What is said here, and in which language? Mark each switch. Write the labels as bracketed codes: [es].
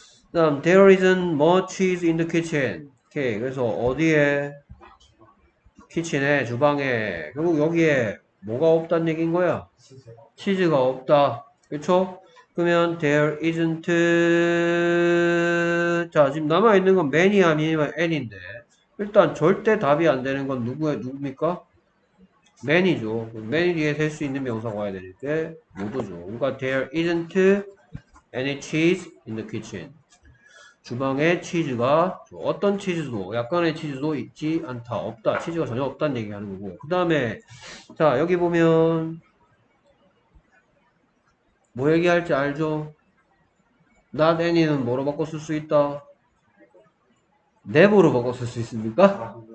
[ko] 그다음 [en] there isn't much cheese in the kitchen. [ko] 오케이. 그래서 어디에? 키친에, 주방에. 결국 여기에 뭐가 없단 얘기인 거야? 치즈가 없다. 그렇죠? 그러면 [en] there isn't [ko] 자 지금 남아 있는 건 many 아니면 any인데 일단 절대 답이 안 되는 건 누구야 누굽니까? many죠. many 뒤에 셀수 있는 명사가 와야 되니까 모두죠. 그러니까 [en] there isn't any cheese in the kitchen. [ko] 주방에 치즈가 어떤 치즈도 약간의 치즈도 있지 않다. 없다. 치즈가 전혀 없다는 얘기 하는 거고. 그 다음에 자 여기 보면 뭐 얘기할지 알죠? not any는 뭐로 바꿔 쓸수 있다? never로 바꿔 쓸수 있습니까?